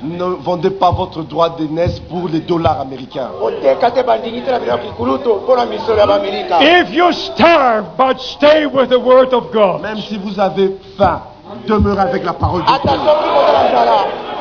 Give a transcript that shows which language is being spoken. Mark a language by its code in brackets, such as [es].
[fr] Ne vendez pas votre droit d'aînesse pour les dollars américains. [en] If you starve, but stay with the word of God. [fr] Même si vous avez faim, demeurez avec la parole de Dieu.